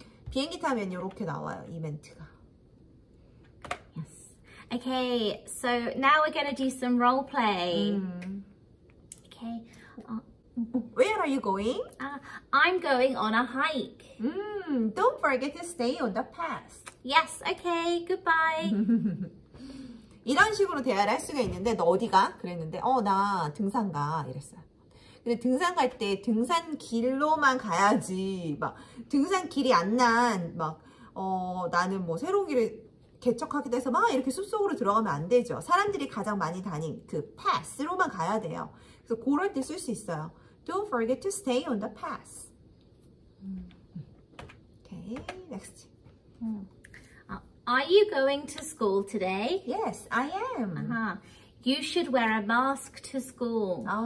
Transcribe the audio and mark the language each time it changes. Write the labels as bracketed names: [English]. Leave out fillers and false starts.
[Korean] 비행기 타면 이렇게 나와요, 이 멘트가. [English] Yes. Okay, so now we're gonna do some role play. Okay. Where are you going? I'm going on a hike. Don't forget to stay on the path. Yes, okay. Goodbye. [Korean] 이런 식으로 대화를 할 수가 있는데 너 어디가? 그랬는데 나 등산 가 이랬어요. 근데 등산 갈 때 등산길로만 가야지. 막 등산길이 안 난 막 나는 뭐 새로운 길을 개척하게 돼서 막 이렇게 숲속으로 들어가면 안 되죠. 사람들이 가장 많이 다닌 그 path로만 가야 돼요. 그래서 그럴 때 쓸 수 있어요. [English] Don't forget to stay on the path. Okay, next. Are you going to school today? Yes, I am. You should wear a mask to school.